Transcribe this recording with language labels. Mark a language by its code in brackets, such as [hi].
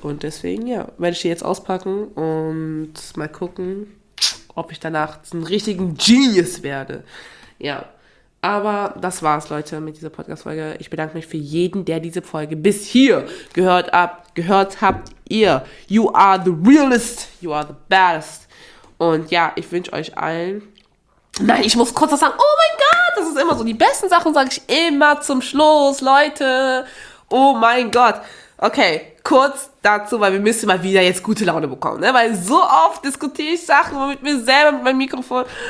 [de] Und deswegen, ja, werde ich die jetzt auspacken und mal gucken, ob ich danach zum richtigen Genius werde. Ja, aber das war's, Leute, mit dieser Podcast-Folge. Ich bedanke mich für jeden, der diese Folge bis hier gehört habt. Ihr, [en] you are the realest, you are the best. [de] Und ja, ich wünsche euch allen... Nein, ich muss kurz was sagen. Oh mein Gott, das ist immer so. Die besten Sachen sage ich immer zum Schluss, Leute. Oh mein Gott. Okay, kurz dazu, weil wir müssen mal wieder jetzt gute Laune bekommen, ne? Weil so oft diskutiere ich Sachen mit mir selber, mit meinem Mikrofon.